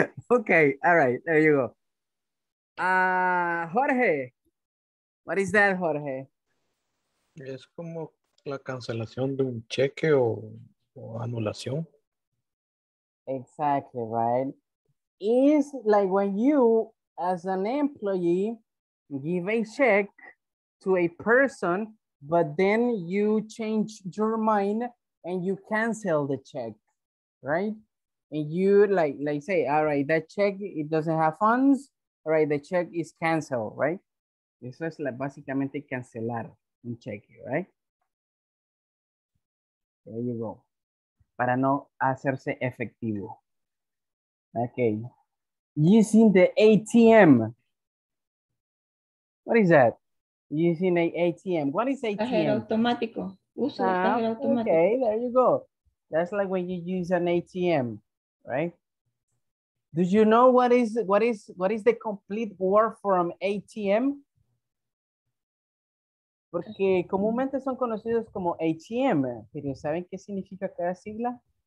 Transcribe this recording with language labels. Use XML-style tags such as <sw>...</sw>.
<en>Okay, all right, there you go. Jorge. What is that, Jorge?</en> <es>Es como la cancelación de un cheque o anulación.</es> <en>Exactly, right? It's like when you, as an employee, give a check to a person, but then you change your mind and you cancel the check, right? And you like say, all right, that check, it doesn't have funds. All right, the check is canceled, right?</en> <es>Eso es</es> <en>like</en> <es>básicamente cancelar un cheque,</es> <en>right? There you go.</en> <es>Para no hacerse efectivo. Okay.</es> <en>Using the ATM. What is that? Using a ATM. What is ATM?</en> <es>Cajero automático. Uso cajero automático.</es> <en>Okay, there you go. That's like when you use an ATM, right? Do you know what is the complete word from ATM?</en> <es>Porque comúnmente son conocidos como ATM, pero ¿saben qué significa cada sigla?</es>